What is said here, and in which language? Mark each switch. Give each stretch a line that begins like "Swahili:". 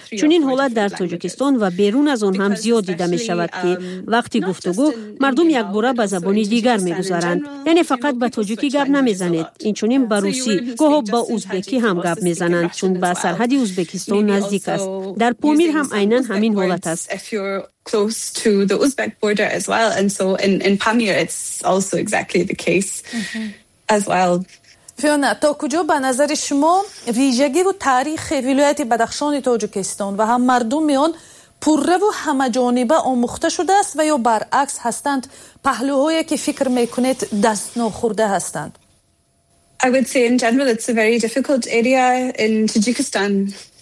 Persian: چون این حالت در تاجیکستان و بیرون از آن هم زیاد دیده میشود که وقتی گفتگو مردم یک بار به زبان دیگر میگذارند. یعنی فقط به تاجیکی گپ نمیزنند، این چنین به روسی گاه با ازبکی هم گپ میزنند چون با سرحد ازبکستان نزدیک است. در پامیر هم اینن همین حالت است.
English: If you're close to the Uzbek border as well, and so in Pamir it's also exactly the case as well.
Persian: Fiona, تا کجا به نظر شما ویژگی و تاریخ ولایت بدخشان تاجیکستان و هم مردم آن پوره و همه جانبه آموخته شده است و یا برعکس هستند پهلوهایی که فکر میکنید دست نخورده هستند؟
English: I would say in general it's a very difficult area in Tajikistan.